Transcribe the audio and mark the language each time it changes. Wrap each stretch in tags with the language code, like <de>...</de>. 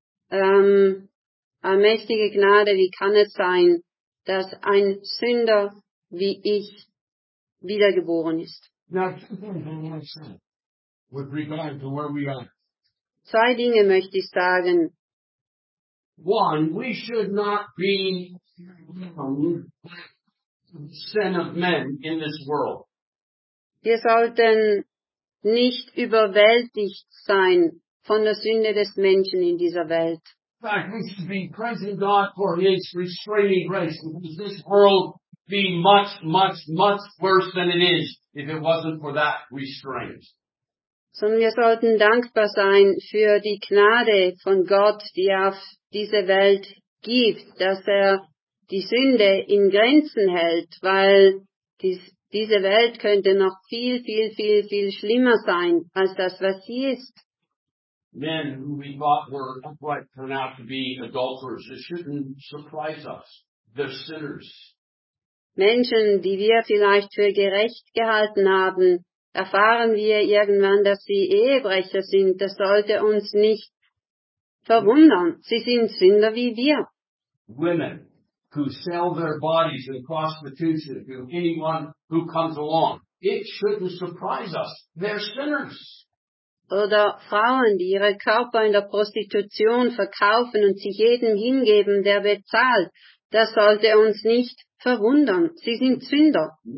<de>Allmächtige Gnade, wie kann es sein, dass ein Sünder wie ich wiedergeboren ist? Zwei Dinge möchte ich sagen.</de> <en>One, we should not be sin of men in this world.</en> <de>Wir sollten nicht überwältigt sein von der Sünde des Menschen in dieser Welt.</de> <en>We should be praising God for His restraining grace, because this world would be much, much, much worse than it is if it wasn't for that restraint.</en> <de>sondern wir sollten dankbar sein für die Gnade von Gott, die er auf diese Welt gibt, dass er die Sünde in Grenzen hält, weil diese Welt könnte noch viel, viel, viel, viel schlimmer sein als das, was sie ist.</de> <en>Men who we thought were upright turn out to be adulterers. It shouldn't surprise us. They're sinners.</en> <de>Menschen, die wir vielleicht für gerecht gehalten haben, erfahren wir irgendwann, dass sie Ehebrecher sind. Das sollte uns nicht verwundern. Sie sind Sünder wie wir.</de> <en>Women who sell their bodies in prostitution to anyone who comes along. It shouldn't surprise us. They're sinners.</en> <de>Oder Frauen, die ihre Körper in der Prostitution verkaufen und sich jedem hingeben, der bezahlt. Das sollte uns nicht verwundern. Sie sind Sünder.</de>